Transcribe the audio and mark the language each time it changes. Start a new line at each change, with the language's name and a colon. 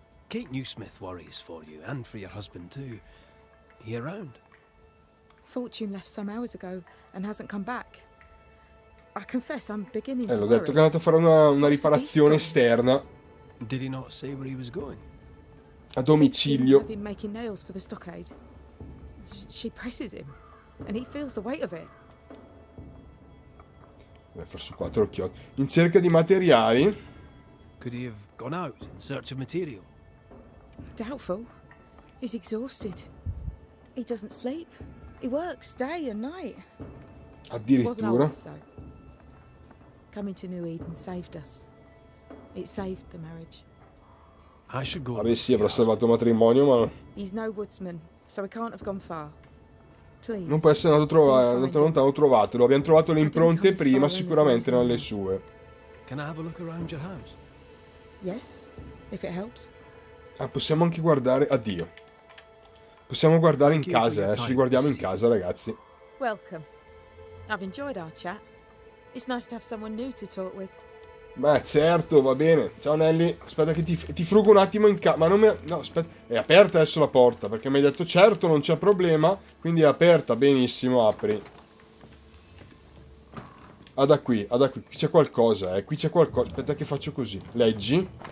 English: Kate Newsmith worries for you and for your husband too. He around? Fortune left some hours ago and hasn't come back. I confess I'm beginning to worry.
Italian: L'ho detto che è andato a fare una riparazione esterna.
English: Did he not say where he was going?
Italian: A domicilio.
English: He's making nails for the stockade. She presses him and he feels the weight of it.
Italian: Beh, forse quattro occhiali. In cerca di materiali.
English: Could he have gone out in search of material? Doubtful. He's exhausted. He doesn't sleep. He works day and night.
Italian: Addirittura.
English: Coming to New Eden saved us. It saved the marriage. I should go.
Italian: Vabbè, sì, avrà salvato il matrimonio, ma.
English: He's no woodsman, so he can't have gone far. Please.
Italian: Non può essere andato lontano, trovatelo. Abbiamo trovato le impronte prima, sicuramente non le sue.
English: Can I have a look around your house? Yes, if it helps.
Italian: Ah, possiamo anche guardare. Addio. Possiamo guardare in casa, ci guardiamo in casa, ragazzi.
English: Welcome. I've enjoyed our chat. It's nice to have someone new to talk with.
Italian: Beh, certo, va bene. Ciao Nelly. Aspetta che ti frugo un attimo in casa. Ma non me. No, aspetta. È aperta adesso la porta, perché mi hai detto certo, non c'è problema. Quindi è aperta, benissimo, apri. Ah, da qui, ah, da qui. Qui c'è qualcosa, qui c'è qualcosa. Aspetta che faccio così. Leggi.